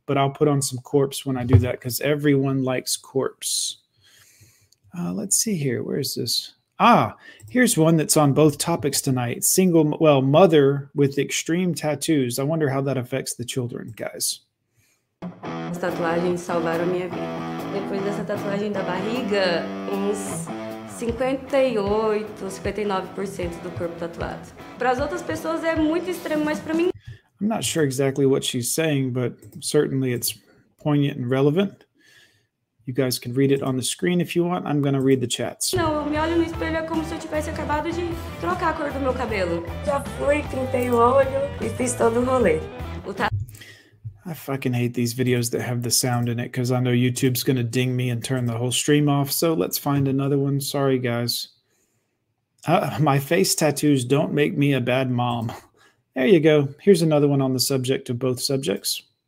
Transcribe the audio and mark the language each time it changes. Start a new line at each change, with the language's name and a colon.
English: But I'll put on some Corpse when I do that, because everyone likes Corpse. Let's see here. Where is this? Ah, here's one that's on both topics tonight. Single, well, mother with extreme tattoos. I wonder how that affects the children, guys.
Portuguese: As tatuagens salvaram minha vida. Depois dessa tatuagem da barriga, uns 58, 59% do corpo tatuado. Para as outras pessoas é muito extremo, mas para mim...
English: I'm not sure exactly what she's saying, but certainly it's poignant and relevant. You guys can read it on the screen if you want. I'm going to read the chats.
Portuguese: Não, eu me olho no espelho como se eu tivesse acabado de trocar a cor do meu cabelo. Já fui, pintei o olho e fiz todo o rolê.
English: I fucking hate these videos that have the sound in it because I know YouTube's going to ding me and turn the whole stream off. So let's find another one. Sorry, guys. My face tattoos don't make me a bad mom. There you go. Here's another one on the subject of both subjects.